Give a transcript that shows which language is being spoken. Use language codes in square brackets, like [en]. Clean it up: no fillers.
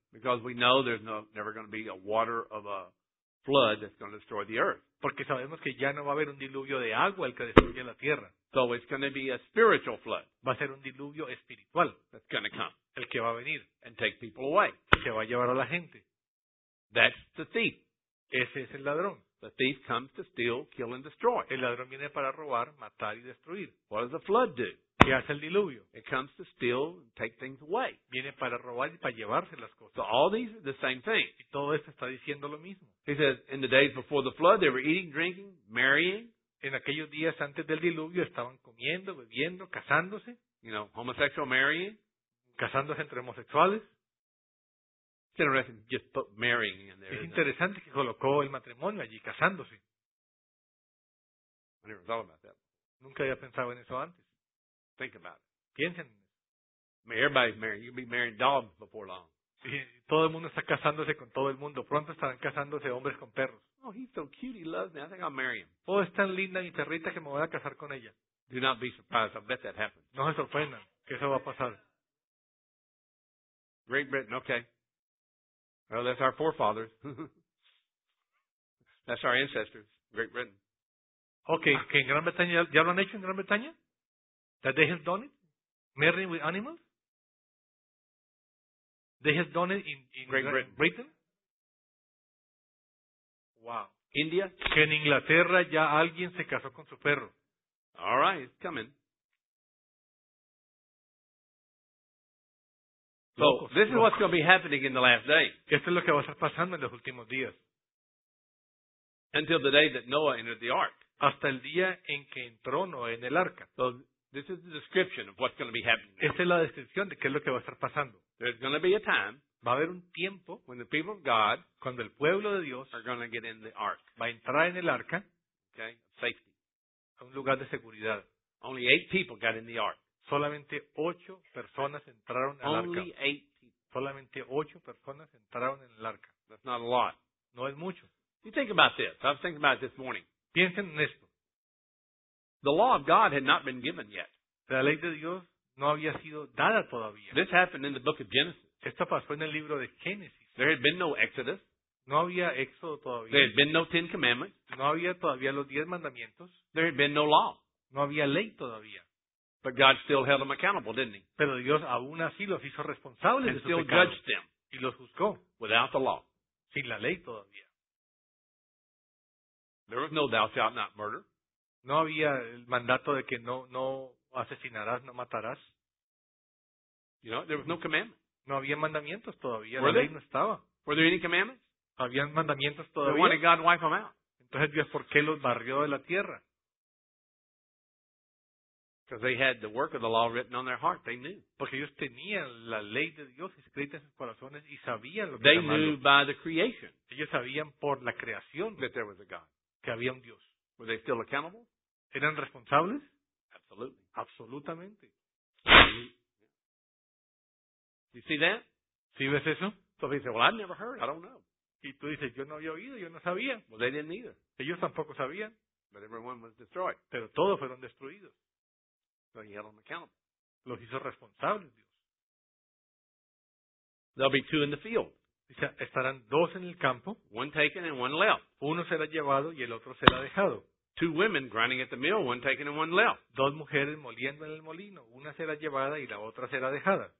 [en] Because we know there's never going to be a water of a flood that's going to destroy the earth. [es] Porque sabemos que ya no va a haber un diluvio de agua el que destruye la tierra. [en] So it's going to be a spiritual flood. [es] Va a ser un diluvio espiritual. [en] That's going to come. [es] El que va a venir. [en] And take people away. [es] Se va a llevar a la gente. [en] That's the thief. [es] Ese es el ladrón. [en] The thief comes to steal, kill, and destroy. [es] El ladrón viene para robar, matar y destruir. [en] What does the flood do? [es] ¿Qué hace el diluvio? [en] It comes to steal and take things away. [es] Viene para robar y para llevarse las cosas. [en] So all these are the same thing. [es] Y todo esto está diciendo lo mismo. [en] He says, in the days before the flood, they were eating, drinking, marrying. [es] En aquellos días antes del diluvio estaban comiendo, bebiendo, casándose. [en] You know, homosexual marrying. [es] Casándose entre homosexuales. [en] It's interesting to just put marrying in there. [es] Es interesante que colocó el matrimonio allí, casándose. [en] I never thought about that. [es] Nunca había pensado en eso antes. [en] Think about it. [es] Piensen. [en] Everybody's married. You'll be marrying dogs before long. [es] Sí, todo el mundo está casándose con todo el mundo. Pronto estarán casándose hombres con perros. [en] Oh, he's so cute. He loves me. I think I'll marry him. [es] Oh, es tan linda mi perrita que me voy a casar con ella. [en] Do not be surprised. I bet that happens. [es] No se sorprendan que eso va a pasar. [en] Great Britain. Okay. Well, that's our forefathers. That's our ancestors. Great Britain. [es] Okay, que en Gran Bretaña, ¿ya lo han hecho en Gran Bretaña? [en] That they have done it? Marrying with animals? They have done it in Great Britain? Wow. India? [es] Que en Inglaterra ya alguien se casó con su perro. [en] All right, it's coming. So, this is what's going to be happening in the last day. [es] Esto es lo que va a estar pasando en los últimos días. [en] Until the day that Noah entered the ark. [es] Hasta el día en que entró Noé en el arca. [en] So, this is the description of what's going to be happening. [es] Esta es la descripción de qué es lo que va a estar pasando. [en] There's going to be a time. [es] Va a haber un tiempo. [en] When the people of God. [es] Cuando el pueblo de Dios. [en] Are going to get in the ark. [es] Va a entrar en el arca. [en] Okay. Safety. [es] A un lugar de seguridad. [en] Only 8 people got in the ark. [es] Solamente 8 personas entraron al [en] arca. Only 8 people. [es] Solamente 8 personas entraron en el arca. [en] That's not a lot. [es] No es mucho. [en] You think about this. I was thinking about it this morning. [es] Piensen en esto. [en] The law of God had not been given yet. [es] La ley de Dios no había sido dada todavía. [en] This happened in the book of Genesis. [es] Esto pasó en el libro de Génesis. [en] There had been no Exodus. [es] No había éxodo todavía. [en] There had been no Ten Commandments. [es] No había todavía los 10 mandamientos. [en] There had been no law. [es] No había ley todavía. [en] But God still held them accountable, didn't he? [es] Pero Dios aún así los hizo responsables de sus pecados. [en] And still judged them. [es] Y los juzgó. [en] Without the law. [es] Sin la ley todavía. [en] There was no thou shalt not murder. [es] No había el mandato de que no asesinarás, no matarás. [en] You know, there was no commandment. [es] No había mandamientos todavía. [en] Were [es] la ley no estaba. [en] Were there any commandments? [es] Habían mandamientos todavía. [en] They wanted God to wipe them out. [es] Entonces Dios, ¿por qué los barrió de la tierra? [en] Because they had the work of the law written on their heart. They knew. [es] Porque ellos tenían la ley de Dios escrita en sus corazones y sabían lo que [en] they knew by the creation. [es] Ellos sabían por la creación [en] that there was a God. [es] Que había un Dios. [en] Were they still accountable? [es] ¿Eran responsables? [en] Absolutely. [es] Absolutamente. [en] You see that? [es] ¿Sí ves eso? [en] So he said, well, I've never heard. I don't know. [es] Y tú dices, yo no había oído, yo no sabía. [en] Well, they didn't either. [es] Ellos tampoco sabían. [en] But everyone was destroyed. [es] Pero todos fueron destruidos. [en] So he held them accountable. [es] Los hizo responsables Dios. [en] There'll be two in the field. [es] Dice, estarán dos en el campo. [en] One taken and one left. [es] Uno será llevado y el otro será dejado. [en] Two women grinding at the mill, one taken and one left. [es] Dos mujeres moliendo en el molino. Una será llevada y la otra será dejada.